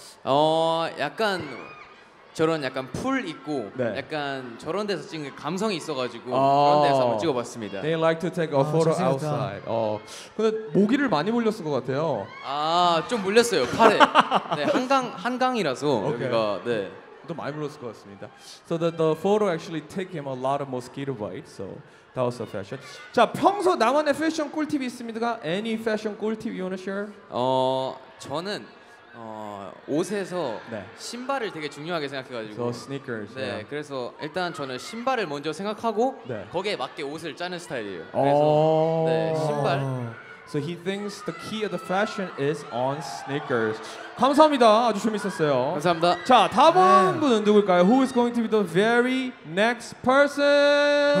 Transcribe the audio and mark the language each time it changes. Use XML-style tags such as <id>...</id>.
<ko>약간 저런 약간 풀 있고 네. 약간 저런 데서 찍는 감성이 있어가지고 그런 데서 한번 찍어봤습니다.</ko> <en>They like to take a photo outside.</en> <ko>근데 모기를 많이 물렸을 것 같아요. 좀 물렸어요. 팔에. 네, 한강이라서</ko> <en>okay.</en> <ko>여기가 네. 또 많이 물렸을 것 같습니다.</ko> <en>So that the photo actually take him a lot of mosquito bites. So that was a fashion.</en> <ko>자, 평소 나만의 패션 꿀팁이 있습니다가</ko> <en>any fashion 꿀팁 you wanna share?</en> <ko>저는 옷에서 네. 신발을 되게 중요하게 생각해가지고</ko> <en>so sneakers,</en> <ko>네, yeah. 그래서 일단 저는 신발을 먼저 생각하고 네. 거기에 맞게 옷을 짜는 스타일이에요. 그래서 네, 신발</ko> <en>So he thinks the key of the fashion is on sneakers.</en> <ko>감사합니다. 아주 재밌었어요. 감사합니다. 자, 다음 분은 누굴까요?</ko> <en>Who is going to be the very next person?</en>